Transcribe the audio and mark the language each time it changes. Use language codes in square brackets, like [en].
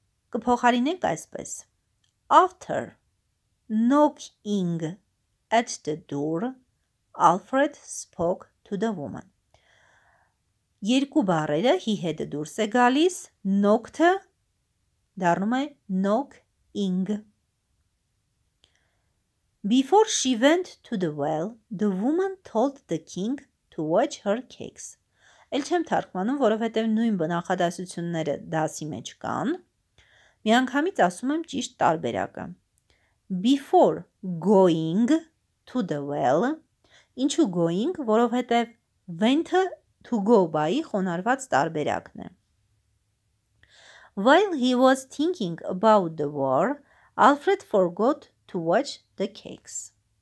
[hy] Կփոխարինենք այսպես. [en] After knocking at the door, Alfred spoke to the woman. [hy] Երկու բառերը հի հետը դուրս է գալիս, նոկթը դառնում է նոկինգ. [en] Before she went to the well, the woman told the king to watch her cakes. [hy] Էլ չեմ թարգմանում, որովհետև նույն բնախադասությունները դասի մեջ կան։ Միանգամից ասում եմ ճիշտ տարբերակը։ [en] Before going to the well, [hy] ինչու going, որովհետև went-ը to go by-ի խոնարհված տարբերակն է։ [en] While he was thinking about the war, Alfred forgot to watch the cakes.